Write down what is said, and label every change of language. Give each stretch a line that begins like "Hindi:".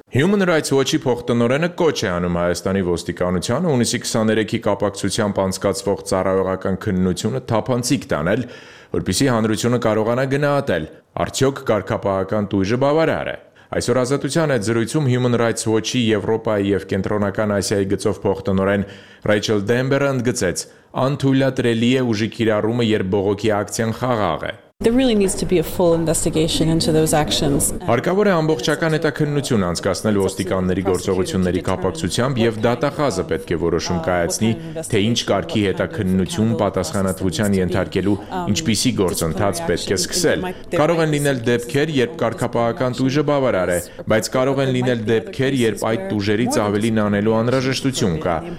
Armenian: Human Rights Watch-ի փոխտնօրենը կոչ է անում Հայաստանի ոստիկանության հունիսի 23-ի կապակցությամբ անցկացվող ծառայողական քննությունը թափանցիկ տանել, որպեսզի հանրությունը կարողանա գնահատել, արդյոք կարգապահական տույժը բավարար է։ Այսօր ազատության այդ զրույցում Human Rights Watch-ի Եվրոպայի և Կենտրոնական Ասիայի գծով փոխտնօրեն Ռեյչել Դեմբերը ընդգծեց. «Անթույլատրելի է ուժի կիրառումը, երբ բողոքի ակցիան խաղաղ է»։
English: There really needs to be a full investigation into those actions.
Armenian: Հարկավոր է ամբողջական հետաքննություն անցկացնել ոստիկանների գործողությունների կապակցությամբ և դատախազը պետք է որոշում կայացնի, թե ինչ կարգի հետաքննություն պատասխանատվության ենթարկելու ինչպիսի գործընթաց պետք է սկսել։ Կարող են լինել դեպքեր, երբ կարգապահական տույժը բավարար է, բայց կարող են լինել դեպքեր, երբ այդ տույժերից ավելին անելու անհրաժեշտություն կա։